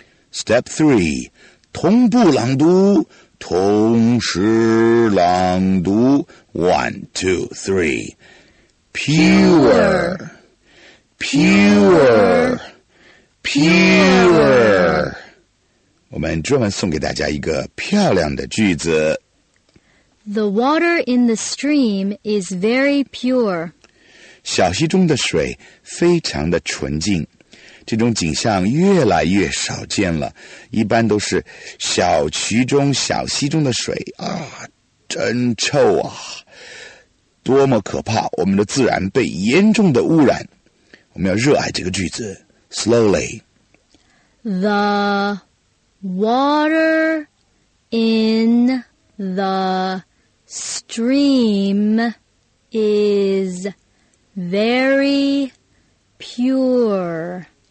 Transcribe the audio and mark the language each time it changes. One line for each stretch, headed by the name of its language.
English: Step 3.
Chinese: 同步朗读。同时朗读。
English: One, two, three. Pure. Pure. Pure.
Chinese: 我们专门送给大家一个漂亮的句子。
English: The water in the stream is very pure.
Chinese: 小溪中的水非常的纯净。这种景象越来越少见了，一般都是小渠中、小溪中的水啊，真臭啊，多么可怕！我们的自然被严重的污染。我们要热爱这个句子 ，slowly。
English: The water in the stream is very pure.